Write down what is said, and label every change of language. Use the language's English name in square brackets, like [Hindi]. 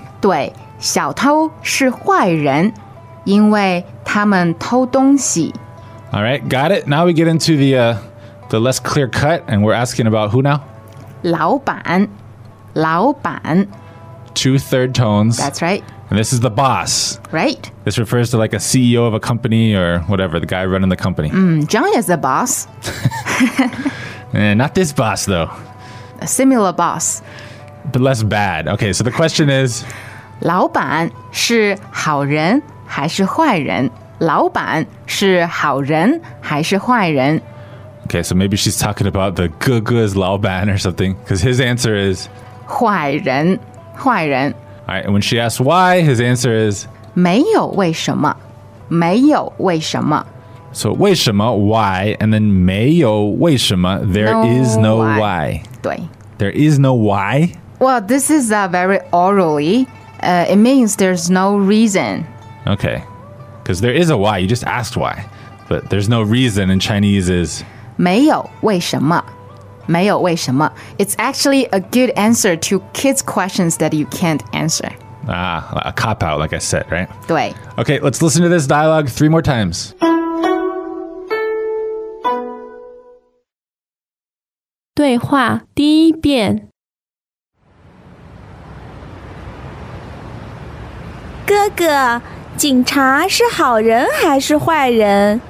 [Chinese] 对小偷是坏人因为他们偷东西 [English] All right. Got it. Now we get into the less clear cut. And we're asking about who now? [Chinese] 老板老板 [English] Two third tones That's right And this is the boss. Right. This refers to like a CEO of a company or whatever, the guy running the company. John is the boss. Not this boss, though. A similar boss. But less bad. Okay, so the question is... [Chinese] 老板是好人还是坏人? 老板是好人还是坏人? [English] Okay, so maybe she's talking about the 哥哥's 老板 or something. Because his answer is... [Chinese] 坏人。坏人. [English] All right, and when she asks why, his answer is... [Chinese] 没有为什么。没有为什么。 [English] So 为什么, why, and then [Chinese] 没有为什么, [English] there no is no why. Why. [Chinese] 对。 [English] There is no why? Well, this is very orally. It means there's no reason. Okay. Because there is a why, you just asked why. But there's no reason in Chinese is... [Chinese] 没有为什么。没有为什么. [English] It's actually a good answer to kids' questions that you can't answer. Ah, a cop-out, like I said, right? [Chinese] 对. [English] Okay, let's listen to this dialogue 3 more times. [Chinese] 对话第一遍。哥哥,警察是好人还是坏人?